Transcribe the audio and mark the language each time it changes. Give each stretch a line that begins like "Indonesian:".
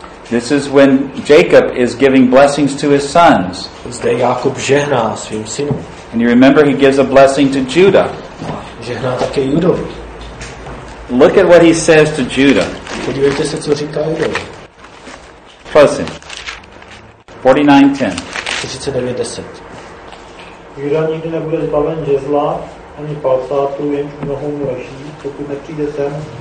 English: This is when Jacob is giving blessings to his sons.
Czech: Zde Jakub žehná svým synům.
English: And you remember he gives a blessing to Judah.
Czech: Žehná také Judovi.
English: Look at what he says to Judah.
Czech: Podívejte se, co říká Judovi. Prosím. 49, 49, 10. Juda nikdy nebude zbaven žezla ani palsátu, jenž mnohou mraží, pokud nepřijde sem,